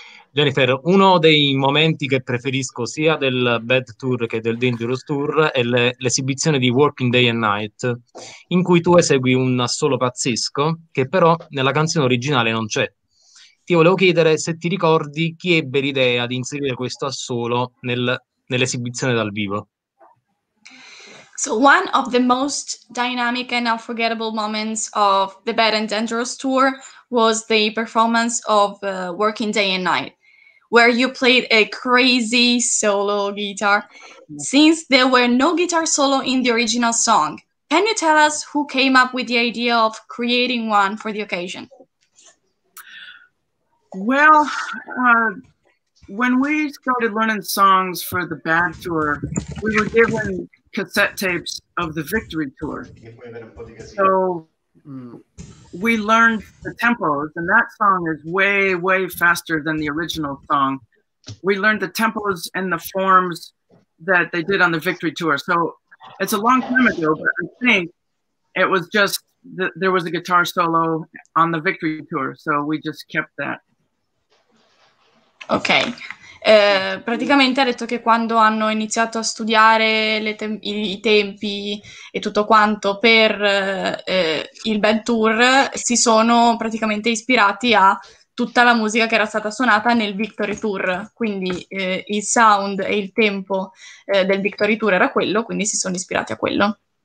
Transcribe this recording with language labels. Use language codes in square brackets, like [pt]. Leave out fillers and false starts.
[it] Jennifer, uno dei momenti che preferisco sia del Bad Tour che del Dangerous Tour è l'esibizione di Working Day and Night, in cui tu esegui un assolo pazzesco che però nella canzone originale non c'è. Ti volevo chiedere se ti ricordi chi ebbe l'idea di inserire questo assolo nell'esibizione dal vivo. [en] So one of the most dynamic and unforgettable moments of the Bad and Dangerous Tour was the performance of Working Day and Night, where you played a crazy solo guitar. Since there were no guitar solo in the original song, Can you tell us who came up with the idea of creating one for the occasion? Well, when we started learning songs for the Bad Tour, we were given cassette tapes of the Victory Tour. So we learned the tempos, and that song is way, way faster than the original song. We learned the tempos and the forms that they did on the Victory Tour. So it's a long time ago, but I think it was just that there was a guitar solo on the Victory Tour. So we just kept that. [it] Ok, praticamente ha detto che quando hanno iniziato a studiare i tempi e tutto quanto per il Bad Tour si sono praticamente ispirati a tutta la musica che era stata suonata nel Victory Tour, quindi il sound e il tempo del Victory Tour era quello, quindi si sono ispirati a quello.